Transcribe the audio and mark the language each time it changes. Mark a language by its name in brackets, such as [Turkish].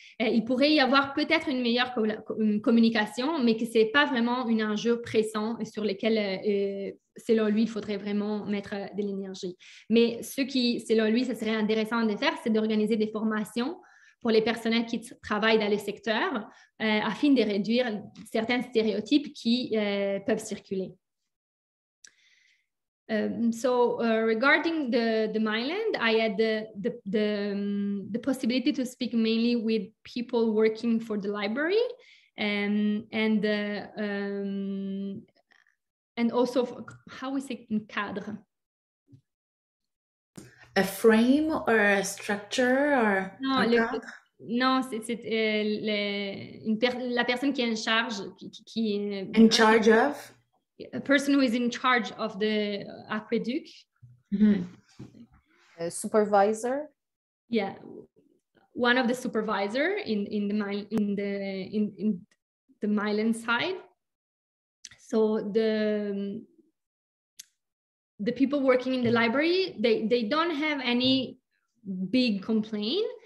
[French] Il pourrait y avoir peut-être une meilleure communication, mais que ce n'est pas vraiment un enjeu pressant sur lequel, selon lui, il faudrait vraiment mettre de l'énergie. Mais ce qui, selon lui, ce serait intéressant de faire, c'est d'organiser des formations pour les personnels qui travaillent dans les secteurs afin de réduire certains stéréotypes qui peuvent circuler. [English] Regarding the mainland, I had the possibility to speak mainly with people working for the library, and also how we say in cadre. A frame or a structure or [French] non, le, non c'est le, une per, la personne qui est en charge qui [English] in charge un, of a person who is in charge of the aqueduct. Mm-hmm. A supervisor. Yeah, one of the supervisor in the Milan side. So the people working in the library, they don't have any big complaint.